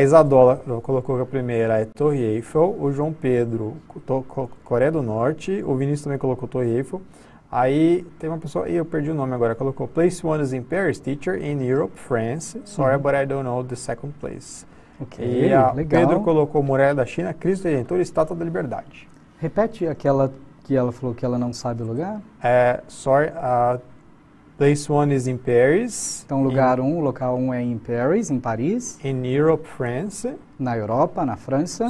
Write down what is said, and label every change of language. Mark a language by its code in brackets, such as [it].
[pt] Isadora colocou que a primeira é Torre Eiffel. O João Pedro, Coreia do Norte. O Vinícius também colocou Torre Eiffel. Aí tem uma pessoa, e eu perdi o nome agora, colocou [en] Place One is in Paris, teacher in Europe, France. Sorry, but I don't know the second place. [pt] E [en] Ok, [pt] a Pedro legal. colocou Muralha da China, Cristo Redentor, Estátua da Liberdade. Repete aquela que ela falou que ela não sabe o lugar. [en] Sorry, Place One is in Paris, [pt] Então, lugar 1, local 1 é em Paris, em Paris. [en] in Europe, France. [pt] Na Europa, na França.